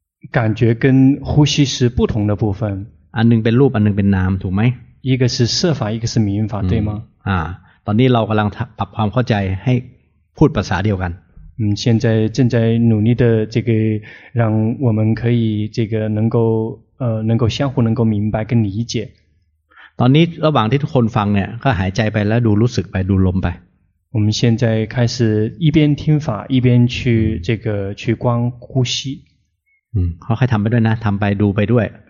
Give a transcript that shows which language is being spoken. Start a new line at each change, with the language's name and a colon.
Chinese: 感觉跟呼吸是不同的部分
Thai: อันนึงเป็นรูปอันนึงเป็นนามถูกไหม
Chinese: 一个是色法一个是名法对吗
Thai: ตอนนี้เรากำลังปรับความเข้าใจให้พูดภาษาเดียวกัน
Chinese: 现在正在努力的这个让我们可以这个能够相互能够明白跟理解
Thai: ตอนนี้ระหว่างที่ทุกคนฟังเนี่ยก็หายใจไปแล้วดูรู้สึกไปดูลมไป
Chinese: 我们现在开始一边听法一边去这个去观呼吸
Thai: ค่อยๆทำไปด้วยนะทำไปดูไปด้วย